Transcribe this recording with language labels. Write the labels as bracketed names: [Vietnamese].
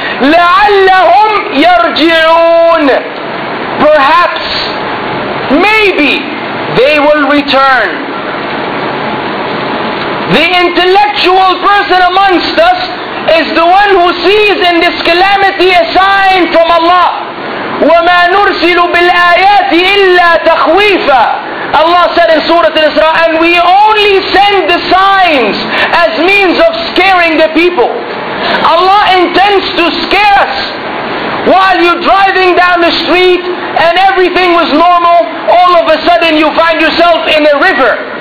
[Arabic] لعلهم يرجعون. [English] Perhaps, maybe, they will return. The intellectual person amongst us is the one who sees in this calamity a sign from Allah. [Arabic] وما نرسل بالآيات إلا تخويفا. [English] Allah said in Surah Al-Isra, and we only send the signs as means of scaring the people. Allah intends to scare us. While you're driving down the street and everything was normal, all of a sudden you find yourself in a river.